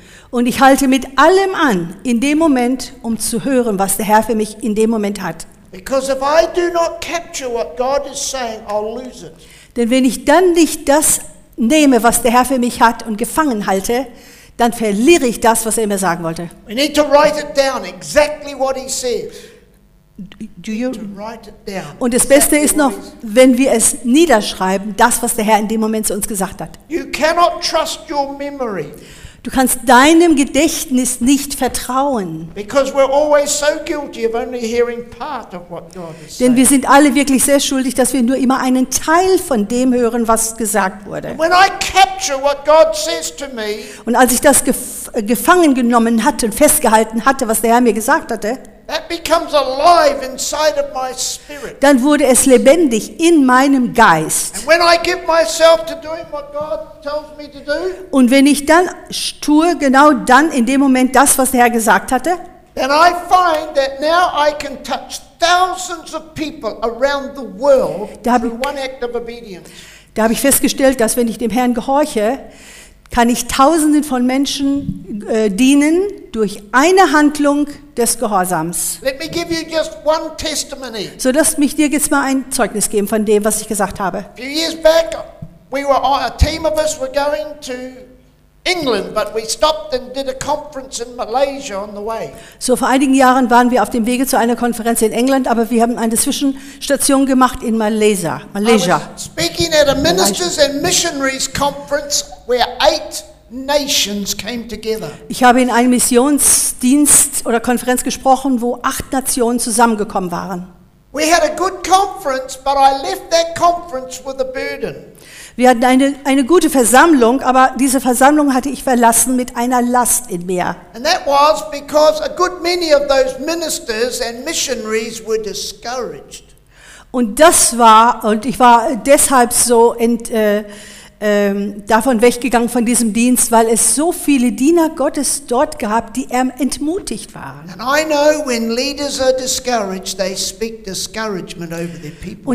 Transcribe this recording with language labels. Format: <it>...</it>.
<de>Und ich halte mit allem an, in dem Moment, um zu hören, was der Herr für mich in dem Moment hat.</de> <en>Because if I do not capture what God is saying, I'll lose it.</en> <de>Denn wenn ich dann nicht das nehme, was der Herr für mich hat und gefangen halte, dann verliere ich das, was er mir sagen wollte.</de> <en>We need to write it down, exactly what he says. Do you?</en> <de>Und das Beste ist noch, wenn wir es niederschreiben, das, was der Herr in dem Moment zu uns gesagt hat.</de> <en>You cannot trust your memory.</en> <de>Du kannst deinem Gedächtnis nicht vertrauen.</de> <en>Because we're always so guilty of only hearing part of what God is saying.</en> <de>Denn wir sind alle wirklich sehr schuldig, dass wir nur immer einen Teil von dem hören, was gesagt wurde.</de> <en>When I capture what God says to me,</en> <de>und als ich das gefangen genommen hatte und festgehalten hatte, was der Herr mir gesagt hatte,</de> <en>that becomes alive inside of my spirit.</en> <de>Dann wurde es lebendig in meinem Geist.</de> <en>And when I give myself to doing what God tells me to do,</en> <de>und wenn ich dann tue, genau dann in dem Moment das, was der Herr gesagt hatte,</de> <en>then I find that now I can touch thousands of people around the world through one act of obedience.</en> <de>Da habe ich festgestellt, dass wenn ich dem Herrn gehorche, kann ich Tausenden von Menschen dienen durch eine Handlung des Gehorsams.</de> <en>Let me give you just one testimony.</en> <de>So lass mich dir jetzt mal ein Zeugnis geben von dem, was ich gesagt habe.</de> <en>A few years back, a team of us were going to England, but we stopped and did a conference in Malaysia on the way.</en> <de>So vor einigen Jahren waren wir auf dem Wege zu einer Konferenz in England, aber wir haben eine Zwischenstation gemacht in Malaysia.</de> <en>I was speaking at a ministers and missionaries conference where 8 nations came together.</en> <de>Ich habe in einem Missionsdienst oder Konferenz gesprochen, wo 8 Nationen zusammengekommen waren.</de> <en>We had a good conference, but I left that conference with a burden.</en> <de>Wir hatten eine gute Versammlung, aber diese Versammlung hatte ich verlassen mit einer Last in mir.</de> <en>And that was because a good many of those ministers and missionaries were discouraged.</en> <de>Und das war, und ich war deshalb so davon weggegangen von diesem Dienst, weil es so viele Diener Gottes dort gab, die entmutigt waren.</de> <en>And I know when leaders are discouraged, they speak discouragement over their people.</en>